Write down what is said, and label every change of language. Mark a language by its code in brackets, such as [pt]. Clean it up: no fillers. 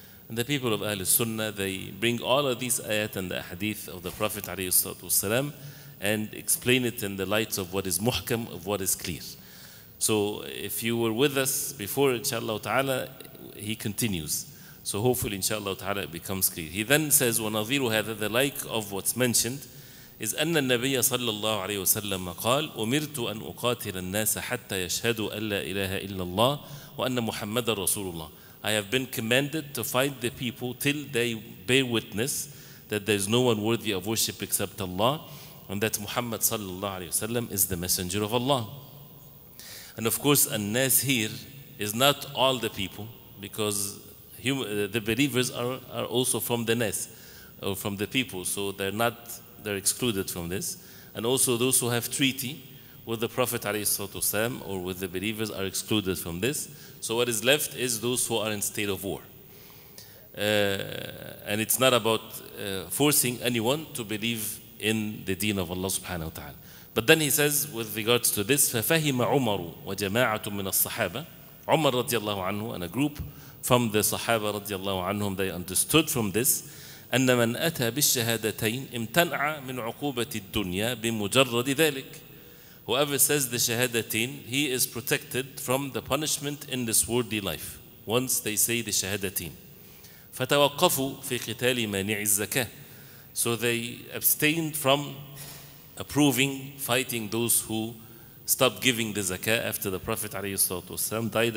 [en] And the people of Ahl Sunnah, they bring all of these ayat and the hadith of the Prophet ﷺ and explain it in the light of what is muhkam, of what is clear. So if you were with us before, inshallah ta'ala, he continues. So hopefully, inshallah ta'ala, it becomes clear. He then says, [ar] وَنَظِيرُ هَذَا, [en] the like of what's mentioned, is [ar] أن النبي صلى الله عليه وسلم قال أمرت أن أقاتل الناس حتى يشهدوا أن لا إله إلا الله وأن محمد رسول الله. [en] I have been commanded to fight the people till they bear witness that there is no one worthy of worship except Allah and that Muhammad صلى الله عليه وسلم is the messenger of Allah. And of course, الناس here is not all the people, because the believers are also from the nest or from the people, so they're excluded from this. And also those who have treaty with the Prophet ﷺ or with the believers are excluded from this. So what is left is those who are in state of war. And it's not about forcing anyone to believe in the deen of Allah subhanahu wa ta'ala. But then he says with regards to this, [ar] فَفَهِمَ عُمَرُ وَجَمَاعَةٌ مِّنَ الصَّحَابَةِ عُمَرُ رَضِيَ اللَّهُ عَنْهُ, [en] and a group from the Sahaba [ar] رَضِيَ اللَّهُ عَنْهُمْ, [en] they understood from this, [ar] أَنَّ مَنْ أَتَى بِالشَّهَادَتَيْنِ اِمْتَنْعَ مِنْ عُقُوبَةِ الدُّنْيَا بِمُجَرَّدِ ذَلِكِ. [en] Whoever says the shahadatin, he is protected from the punishment in this worldly life. Once they say the shahadatin. [ar] فَتَوَقَّفُوا فِي قِتَالِ مَانِعِ الزَّكَاةِ. [en] So they abstained from approving, fighting those who stopped giving the zakah after the Prophet ﷺ died.